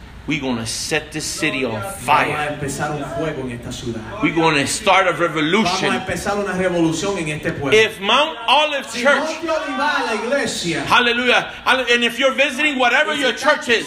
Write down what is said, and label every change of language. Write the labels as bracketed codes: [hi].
[en] we're going to set this city on fire. [es] Vamos a empezar un fuego en esta ciudad. [en] We're going to start a revolution. [es] Vamos a empezar una revolución en este pueblo. [en] If Mount Olive Church, [es] si Monte Oliva, la iglesia, [en] hallelujah, and if you're visiting whatever your church is,